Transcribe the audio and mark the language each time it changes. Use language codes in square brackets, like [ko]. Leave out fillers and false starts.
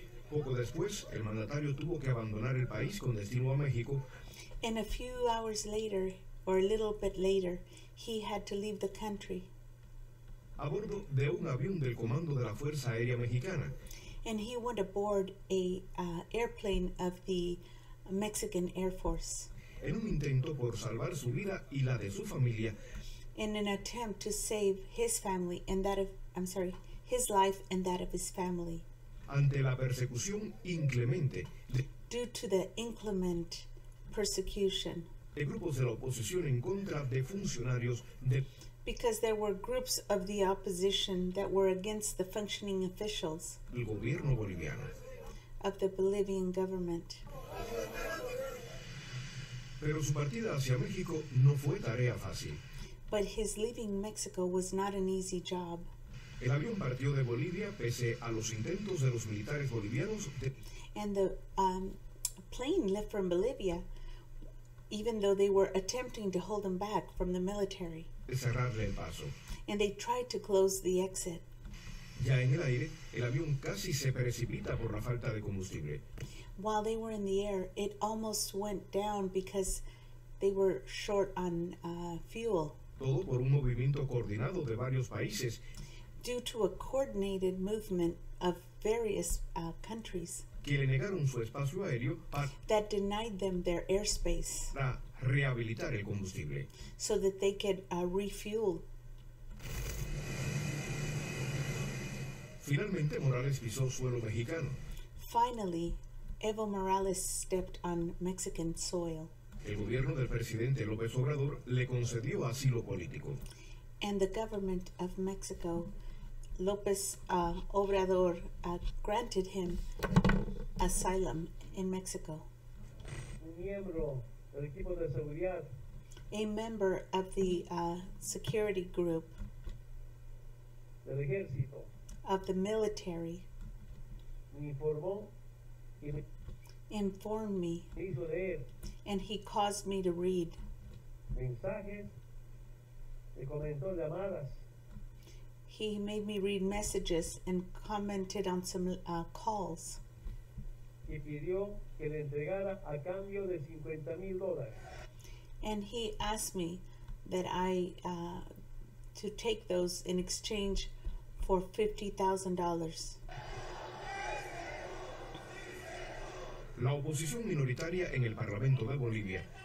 [es] Poco después, el mandatario tuvo que abandonar el país con destino a México. [en] And a few hours later, or a little bit later, he had to leave the country. [es] A bordo de un avión del Comando de la Fuerza Aérea Mexicana. [en] And he went aboard a airplane of the Mexican Air Force. [es] En un intento por salvar su vida y la de su familia. [en] In an attempt to save his family and that of, I'm sorry, his life and that of his family. [es] Ante la persecución inclemente. [en] Due to the inclement persecution. [es] De grupos de la oposición en contra de funcionarios de. [en] Because there were groups of the opposition that were against the functioning officials. [es] Del gobierno boliviano. [en] Of the Bolivian government. [es] Pero su partida hacia México no fue tarea fácil. [en] But his leaving Mexico was not an easy job. [es] El avión partió de Bolivia pese a los intentos de los militares bolivianos de. [en] And the plane left from Bolivia, even though they were attempting to hold him back from the military. [es] De cerrarle el paso. [en] And they tried to close the exit. [es] Ya en el aire, el avión casi se precipita por la falta de combustible. [en] While they were in the air, it almost went down because they were short on fuel. [es] Todo por un movimiento coordinado de varios países. [en] Due to a coordinated movement of various countries. [es] Que le negaron su espacio aéreo para. [en] That denied them their airspace. [es] Para rehabilitar el combustible. [en] So that they could refuel. [es] Finalmente, Morales pisó suelo mexicano. [en] Finally, Evo Morales stepped on Mexican soil. [es] El gobierno del presidente López Obrador le concedió asilo político. [en] And the government of Mexico, López Obrador, granted him asylum in Mexico. [es] Un miembro del equipo de seguridad. [en] A member of the security group. [es] Del ejército. [en] Of the military. [es] Me informó y me. [en] Informed me, and he caused me to read [es] mensajes y comentó llamadas. [en] He made me read messages and commented on some calls. [es] Y pidió que le entregara a cambio de $50,000. [en] And he asked me that I to take those in exchange for $50,000. [es] La oposición minoritaria en el Parlamento de Bolivia.